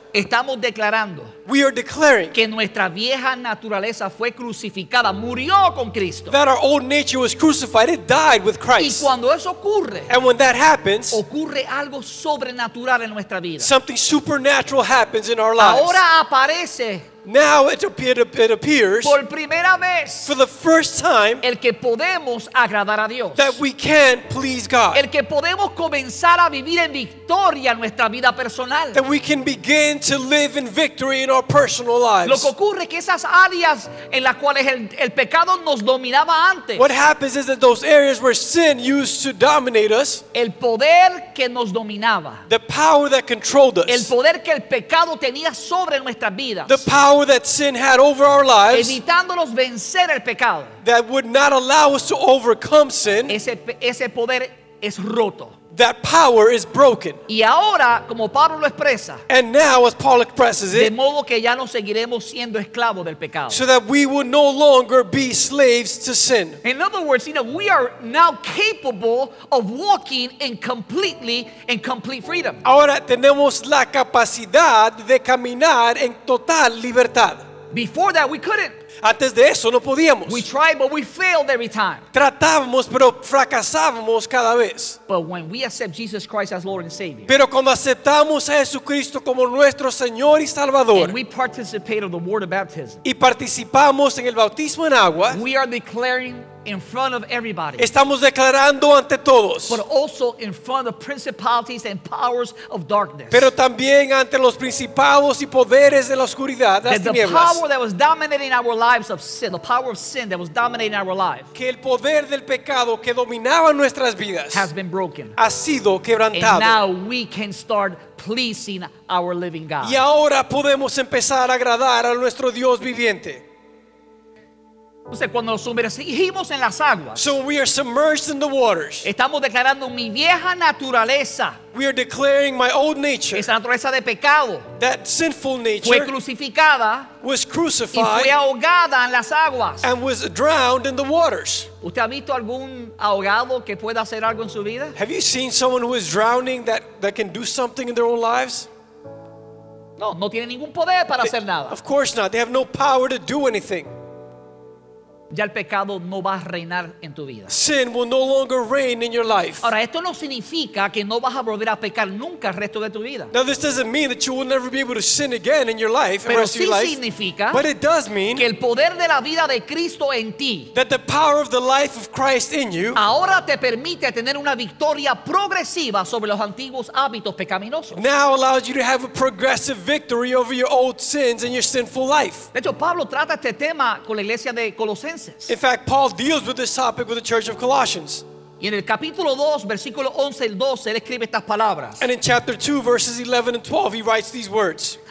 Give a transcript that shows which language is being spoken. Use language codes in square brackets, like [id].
[es] estamos declarando, [en] we are declaring, [es] que nuestra vieja naturaleza fue crucificada, murió con Cristo, [en] that our old nature was crucified, it died with Christ. [es] Y cuando eso ocurre, [en] and when that happens, [es] ocurre algo sobrenatural en nuestra vida. [en] Something supernatural happens in our lives. [es] Ahora aparece [en] Now it appears [es] por primera vez, [en] for the first time [es] el que podemos agradar a Dios, [en] that we can please God. [es] El que podemos comenzar a vivir en victoria en nuestra vida personal. [en] That we can begin to live in victory in our personal lives. [es] Lo que ocurre es que esas áreas en las cuales el pecado nos dominaba antes, [en] what happens is that those areas where sin used to dominate us, [es] el poder que nos dominaba, [en] the power that controlled us, [es] el poder que el pecado tenía sobre nuestras vidas, [en] the power that sin had over our lives, [es] evitándonos vencer el pecado, [en] that would not allow us to overcome sin, [es] ese poder es roto. [en] That power is broken. [es] Y ahora, como Pablo lo expresa, [en] and now, as Paul expresses it, [es] de modo que ya no seguiremos siendo esclavos del pecado, [en] so that we will no longer be slaves to sin. In other words, you know, we are now capable of walking in completely in complete freedom. [es] Ahora tenemos la capacidad de caminar en total libertad. [en] Before that, we couldn't. [es] Antes de eso, no podíamos. [en] We tried, but we failed every time. [es] Tratábamos, pero fracasábamos cada vez. [en] But when we accept Jesus Christ as Lord and Savior, [es] pero cuando aceptamos a Jesucristo como nuestro Señor y Salvador, [en] and we participate in the word of baptism, [es] y participamos en el bautismo en agua, [en] we are declaring in front of everybody, [es] estamos declarando ante todos, [en] but also in front of principalities and powers of darkness, [es] pero también ante los principados y poderes de la oscuridad, [en] that the power that was dominating our lives of sin, the power of sin that was dominating our lives, [es] que el poder del pecado que dominaba nuestras vidas, [en] has been broken, [es] ha sido quebrantado, [en] and now we can start pleasing our living God. [es] Y ahora podemos empezar a agradar a nuestro Dios viviente. Entonces, cuando nos sumergimos en las aguas, [en] so we are submerged in the waters, [es] estamos declarando mi vieja naturaleza, [en] we are declaring my old nature, [es] esa naturaleza de pecado, [en] that sinful nature, [es] fue crucificada, [en] was crucified, [es] y fue ahogada en las aguas, [en] and was drowned in the waters. [es] ¿Usted ha visto algún ahogado que pueda hacer algo en su vida? [en] Have you seen someone who is drowning that can do something in their own lives? [es] No, no tiene ningún poder para hacer nada. [en] Of course not. They have no power to do anything. [es] Ya el pecado no va a reinar en tu vida. [en] Sin will no longer reign in your life. [es] Ahora, esto no significa que no vas a volver a pecar nunca el resto de tu vida. [en] Now this doesn't mean that you will never be able to sin again in your life. [es] Pero [en] rest [es] sí [en] of your life. [es] Significa, [en] but it does mean [es] que el poder de la vida de Cristo en ti, [en] that the power of the life of Christ in you, [es] ahora te permite tener una victoria progresiva sobre los antiguos hábitos pecaminosos. [en] Now allows you to have a progressive victory over your old sins and your sinful life. [es] De hecho, Pablo trata este tema con la iglesia de Colosenses. [en] In fact, Paul deals with this topic with the church of Colossians. [es] Y en el capítulo 2, versículo 11 y 12, él escribe estas palabras. [en] And in chapter 2, verses 11 and 12, he writes these words.